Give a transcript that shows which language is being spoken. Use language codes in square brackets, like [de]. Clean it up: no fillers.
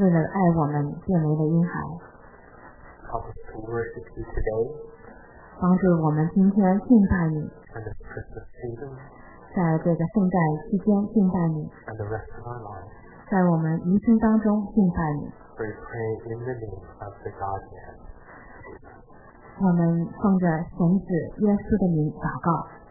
[zh] 为了爱我们变为了婴孩。 [en] Help us to worship you today. [zh] 帮助我们今天敬拜你。 [en] And the Christmas season. [zh] 在这个圣诞期间敬拜你。 [en] And the rest of our lives. [zh] 在我们余生当中敬拜你。 [en] We pray in the name of the God-Man. [zh] 我们奉着神子耶稣的名祷告。